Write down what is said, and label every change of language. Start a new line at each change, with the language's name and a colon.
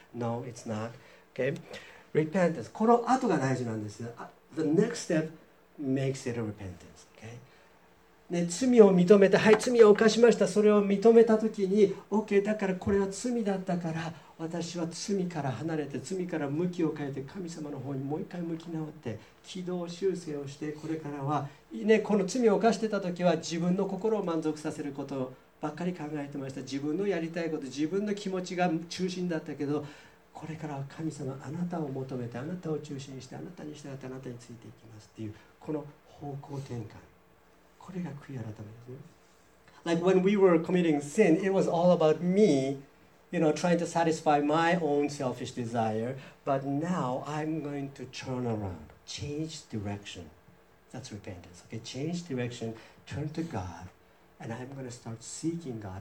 English: No, it's not. Okay? Repentance.
Japanese: この後が大事なんです。
English: The next step makes it a repentance. Okay?
Japanese: ね、罪を認めて、はい、罪を犯しました。それを認めたときに、OK、だからこれは罪だったから、私は罪から離れて罪から向きを変えて神様の方にもう一回向き直って軌道修正をしてこれからは、ね、この罪を犯してた時は自分の心を満足させることばっかり考えてました。自分のやりたいこと自分の気持ちが中心だったけど、これからは神様あなたを求めてあなたを中心にしてあなたに従ってあなたについていきますっていうこの方向転換、これが悔い改めですね。
English: Like when we were committing sin, it was all about meYou know, trying to satisfy my own selfish desire, but now I'm going to turn around, change direction. That's repentance. Okay, change direction, turn to God, and I'm going to start seeking God.